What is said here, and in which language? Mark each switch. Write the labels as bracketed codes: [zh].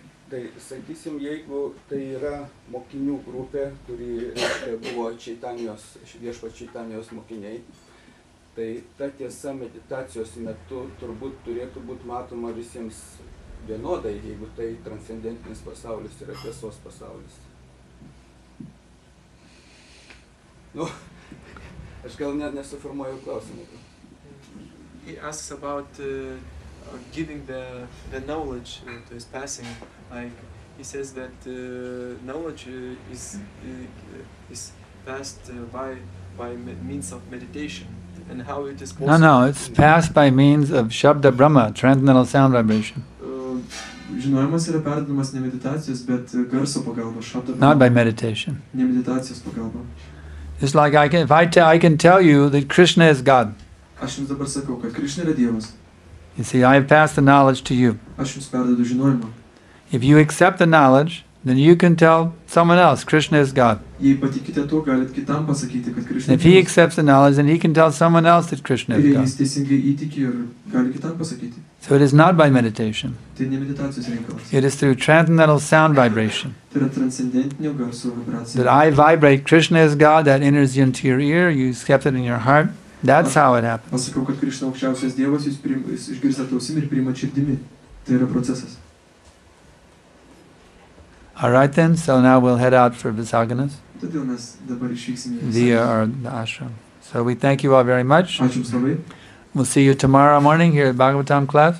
[lt] Tai sakysim, jeigu tai yra mokinių grupė, kuri reiškia, buvo Čaitanijos mokiniai, tai ta tiesa meditacijos metu turbūt turėtų būti matoma visiems vienodai, jeigu tai transcendentinis pasaulis yra tiesos pasaulis. Nu, aš gal net nesuformuoju klausimą. [en] He asks about giving the knowledge to his passing. Like he says that knowledge is passed by means of meditation, and how it is possible. No, it's passed by means of Shabda Brahma, transcendental sound vibration. [lt] Žinojimas yra perdamas ne meditacijos, bet garso pagalba, Shabda Brahma. [en] Not by meditation. [lt] Ne meditacijos pagalba. [en] It's like I can tell you that Krishna is God. [lt] Aš jums dabar sakau, kad Krishna yra Dievas. [en] You see, I have passed the knowledge to you. [lt] Aš jums perdedu žinojimą. [en] If you accept the knowledge, then you can tell someone else, Krishna is God. [lt] Jei patikite to, galit kitam pasakyti, kad Krishna [en] is God. If he accepts the knowledge, then he can tell someone else that Krishna is God. [lt] Ir jis teisingai įtiki ir gali kitam pasakyti. [en] So it is not by meditation. [lt] Tai ne meditacijos reikalas. [en] It is through transcendental sound vibration. [lt] Tai yra transcendentinio garso vibracija. [en] That I vibrate, Krishna is God, that enters you into your ear, you accept it in your heart. That's how it happens. [lt] Pasakau, kad Krishna aukščiausias Dievas, jis išgirsta ausim ir priima širdimi. Tai yra procesas. [en] All right then, so now we'll head out for Visaganas via the ashram. So we thank you all very much. [lt] Ačiū labai. [en] We'll see you tomorrow morning here at Bhagavatam class.